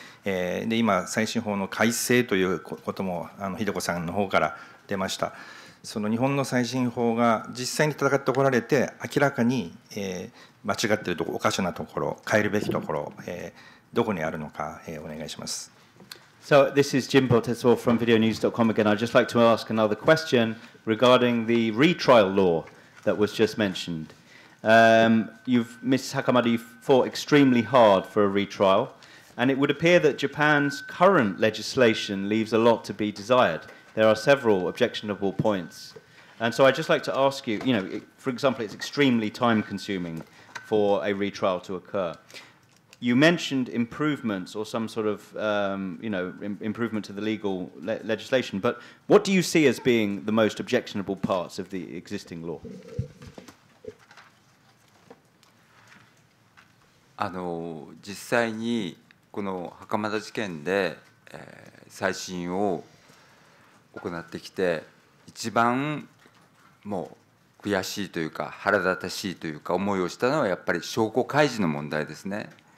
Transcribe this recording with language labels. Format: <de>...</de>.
<ja>で今再審法の改正ということも秀子さんの方から出ました。その日本の再審法が実際に戦ってこられて明らかに、間違ってるとこ、おかしなところ、変えるべきところ、どこにあるのか、お願いします。</ja> <en>So this is Jinbo Tetsuo from videonews.com again. I'd just like to ask another question regarding the retrial law that was just mentioned. Ms. Hakamada, you fought extremely hard for a retrial, and it would appear that Japan's current legislation leaves a lot to be desired. There are several objectionable points. And so I'd just like to ask you, you know, for example, it's extremely time-consuming for a retrial to occur. You mentioned improvements or some sort of, improvement to the legal legislation, but what do you see as being the most objectionable parts of the existing law?</en> <ja>あの、実際にこの袴田事件で、再審を行ってきて、一番もう悔しいというか、腹立たしいというか、思いをしたのはやっぱり証拠開示の問題ですね。</ja>